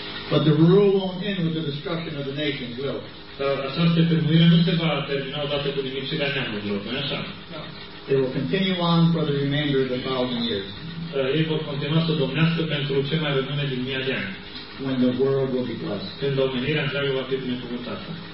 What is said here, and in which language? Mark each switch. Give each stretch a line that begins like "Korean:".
English: But the rule won't end with the destruction of the nations, will it?
Romanian: Această primire nu se va termina odată cu nimicirea neamurilor, nu-i așa?
English: It will continue on for the remainder of the 1,000 years.
Romanian: Ei vor continua să domnească pentru ce mai rămâne din 1,000 de ani.
English: When the world will be blessed.
Romanian: Când omenirea întreagă va fi binecuvântată.